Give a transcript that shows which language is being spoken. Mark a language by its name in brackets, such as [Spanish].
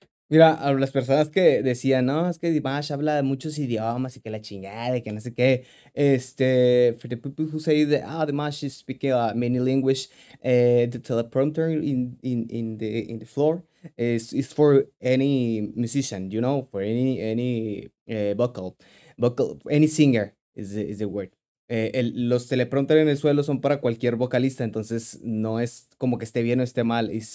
[Spanish] Mira, a las personas que decían, no, es que Dimash habla de muchos idiomas y que la chingada y que no sé qué. [English] For the people who say that Dimash is speaking many language, the teleprompter in the floor is for any musician, you know, for any vocal, any singer is the word. [Spanish] Los teleprompters en el suelo son para cualquier vocalista, entonces no es como que esté bien o esté mal.